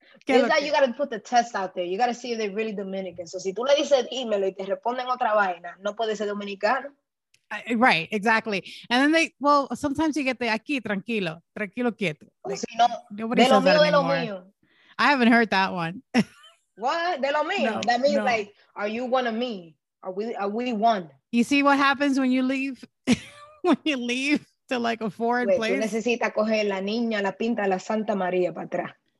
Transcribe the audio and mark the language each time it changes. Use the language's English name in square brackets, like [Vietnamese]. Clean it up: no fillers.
[Spanish] ¿Qué lo que? [English] You got to put the test out there. You got to see if they're really Dominican. [Spanish] So si tú le dices dímelo y te responden otra vaina, no puede ser dominicano. [English] Right, exactly. And then sometimes you get the [Spanish] aquí, tranquilo, tranquilo, quieto. [English] Like, nobody says that anymore. I haven't heard that one. [Spanish] What? De lo mío. [English] No, that means like, are you one of me? Are we one? You see what happens when you leave, to like a foreign place? [Spanish] Tú necesitas coger la niña, la pinta, la Santa María para atrás.